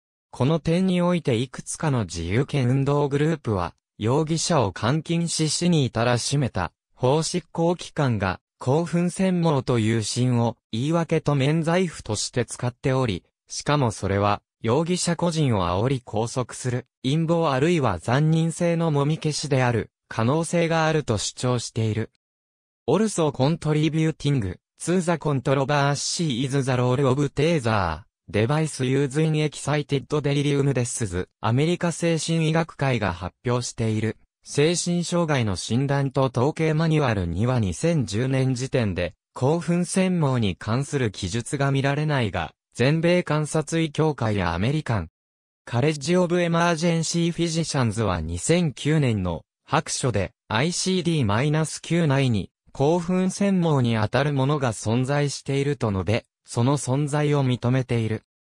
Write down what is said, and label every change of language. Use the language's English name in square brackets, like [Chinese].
[Japanese] この点においていくつかの自由権運動グループは容疑者を監禁し死に至らしめた法執行機関が興奮潜毛という死因を言い訳と免罪符として使っており、しかもそれは、容疑者個人を煽り拘束する、陰謀あるいは残忍性のもみ消しである、可能性があると主張している。 [English] Also contributing to the controversy is the role of Taser device used in excited delirium deaths. [Japanese] アメリカ精神医学会が発表している、精神障害の診断と統計マニュアルには2010年時点で、興奮潜毛に関する記述が見られないが、全米観察医協会やアメリカン、カレッジ・オブ・エマージェンシー・フィジシャンズは2009年の白書で ICD-9 内に興奮潜毛にあたるものが存在していると述べ、その存在を認めている。